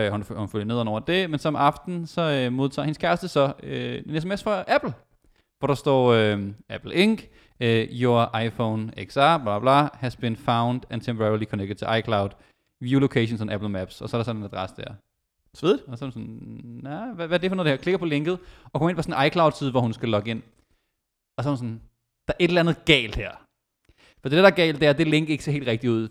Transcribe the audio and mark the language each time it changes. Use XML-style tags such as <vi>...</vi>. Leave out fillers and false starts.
<da>Hun følger ned over det. Men som aften så modtager hendes kæreste så en sms fra Apple, hvor der står Apple Inc.</da> <en>Your iPhone XR blah, blah, has been found and temporarily connected to iCloud. View locations on Apple Maps.</en> <da>Og så er der sådan en adresse der. Svedigt. Og så er sådan, nah, hvad er det for noget det her? Klikker på linket og kommer ind på sådan en iCloud side hvor hun skal logge ind. Og så er sådan, der er et eller andet galt her. For det, der er galt, det er, at det link ikke ser helt rigtigt ud.</da>